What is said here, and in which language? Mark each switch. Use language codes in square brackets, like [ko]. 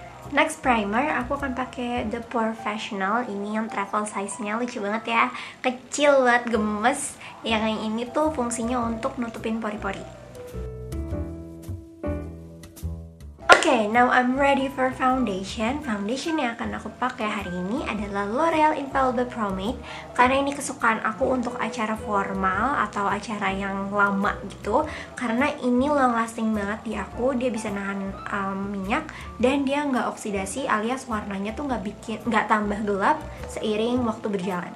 [id] Next primer, aku akan pakai The Porefessional. Ini yang travel size-nya lucu banget ya, kecil banget, gemes. Yang ini tuh fungsinya untuk nutupin pori-pori. [en] Okay, now I'm ready for foundation. [id] Foundation yang akan aku pakai hari ini adalah Loreal Infallible Pomade. Karena ini kesukaan aku untuk acara formal atau acara yang lama gitu. Karena ini long lasting banget di aku, dia bisa nahan minyak dan dia nggak oksidasi, alias warnanya tuh nggak tambah gelap seiring waktu berjalan.